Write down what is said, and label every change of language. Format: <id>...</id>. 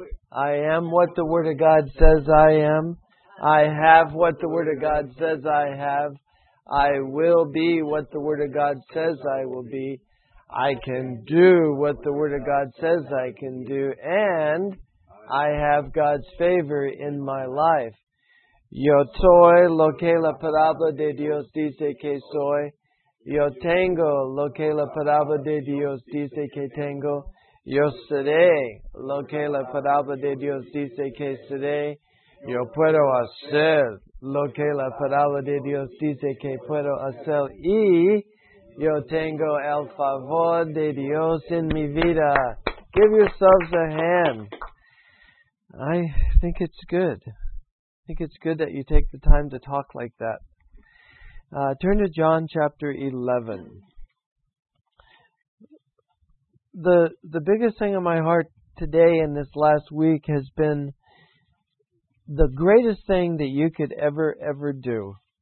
<en>I am what the Word of God says I am. I have what the Word of God says I have. I will be what the Word of God says I will be. I can do what the Word of God says I can do. And I have God's favor in my life.</en> <es>Yo soy lo que la palabra de Dios dice que soy. Yo tengo lo que la palabra de Dios dice que tengo. Yo seré lo que la palabra de Dios dice que seré. Yo puedo hacer lo que la palabra de Dios dice que puedo hacer. Y yo tengo el favor de Dios en mi vida.</es> <en>Give yourselves a hand. I think it's good. I think it's good that you take the time to talk like that. Turn to John chapter 11. The biggest thing in my heart today in this last week has been the greatest thing that you could ever do.</en>